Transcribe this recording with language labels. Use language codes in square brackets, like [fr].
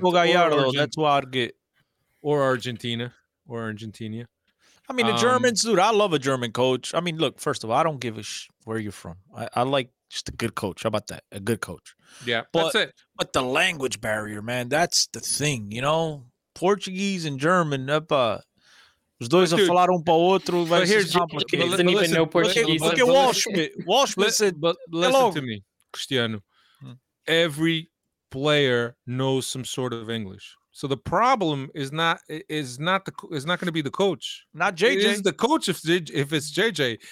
[en] Gallardo, that's what I'd get. Or Argentina. Or Argentina. I mean, the Germans, dude, I love a German coach. I mean, look, first of all, I don't give a where you're from. I like just a good coach. How about that? A good coach. Yeah, but, that's it. But the language barrier, man, that's the thing, you know? Portuguese and German, [pt] os dois a falar pra outro, vai ser complicado. [en] He doesn't even know Portuguese. Look at Walshmit. Walshmit said, but listen hello. To me, Cristiano. Every player knows some sort of English. So the problem is not going to be the coach. Not JJ. It is the coach if it's JJ.